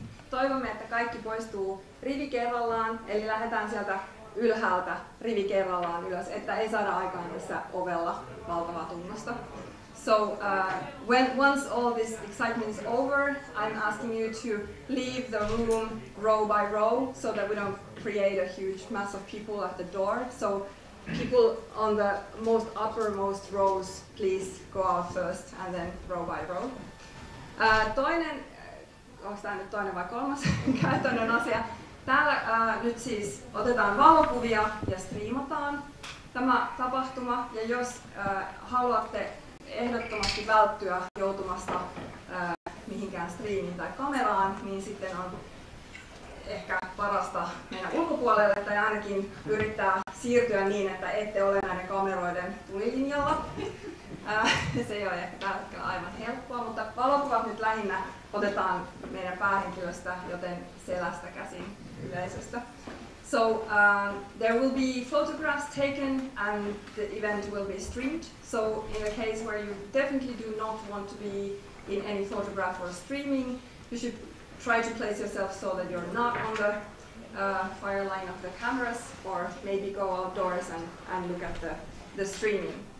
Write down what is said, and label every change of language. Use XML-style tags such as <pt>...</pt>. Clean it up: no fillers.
<fi>Toivomme, että kaikki poistuu rivi kerrallaan, eli lähdetään sieltä ylhäältä rivi kerrallaan ylös, että ei saada aikaan tässä ovella valtavaa tunnosta.</fi> <en>So when once all this excitement is over, I'm asking you to leave the room row by row so that we don't create a huge mass of people at the door. So people on the most uppermost rows, please go out first and then row by row.</en> <fi>Toinen, onko tämä nyt toinen vai kolmas käytännön asia? Täällä nyt siis otetaan valokuvia ja striimataan tämä tapahtuma. Ja jos haluatte ehdottomasti välttyä joutumasta mihinkään striimiin tai kameraan, niin sitten on ehkä parasta mennä ulkopuolelle tai ainakin yrittää siirtyä niin, että ette ole näiden kameroiden tulilinjalla. Se ei ole ehkä tällä hetkellä aivan helppoa, mutta valokuvat nyt lähinnä otetaan meidän päähenkilöstä, joten selästä käsin yleisöstä.</fi> <en>So there will be photographs taken and the event will be streamed. So in a case where you definitely do not want to be in any photograph or streaming, you should try to place yourself so that you're not on the fire line of the cameras, or maybe go outdoors and look at the streaming.</en>